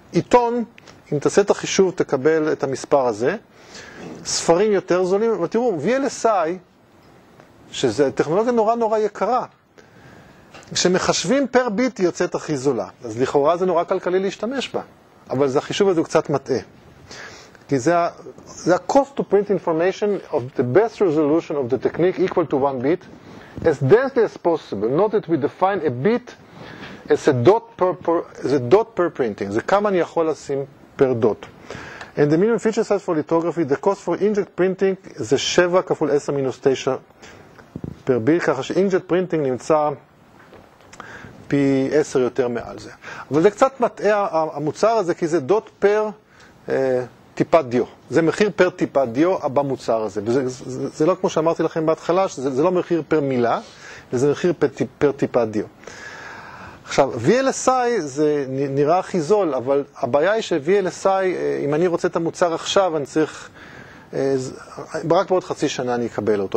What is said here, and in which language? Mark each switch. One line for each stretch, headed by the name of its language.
Hebrew: עיתון, אם תעשה את החישוב, תקבל את המספר הזה. ספרים יותר זולים, ותראו, VLSI, שזה טכנולוגיה נורא נורא יקרה, כשמחשבים פר ביט יוצאת הכי זולה. אז לכאורה זה נורא כלכלי להשתמש בה. אבל החישוב הזה הוא קצת מטעה. כי זה ה-
English: cost to print information of the best resolution of the technique equal to one bit as densely as possible. Note that we define a bit as a dot per printing.
Hebrew: זה כמה אני יכול לשים
English: per dot. And the minimum feature size for lithography, the cost for inkjet printing
Hebrew: זה 7 כפול 10 מינוס 9
English: per bit.
Hebrew: ככה שאינקג'ט פרינטינג נמצא פי 10 יותר מעל זה. אבל זה קצת מטעה המוצר הזה, כי זה דוט פר טיפת דיו. זה מחיר פר טיפת דיו במוצר הזה. וזה, זה לא כמו שאמרתי לכם בהתחלה, זה לא מחיר פר מילה, זה מחיר פר טיפת דיו. עכשיו, VLSI זה נראה הכי זול, אבל הבעיה היא ש-VLSI, אם אני רוצה את המוצר עכשיו, אני צריך, רק בעוד חצי שנה אני אקבל אותו.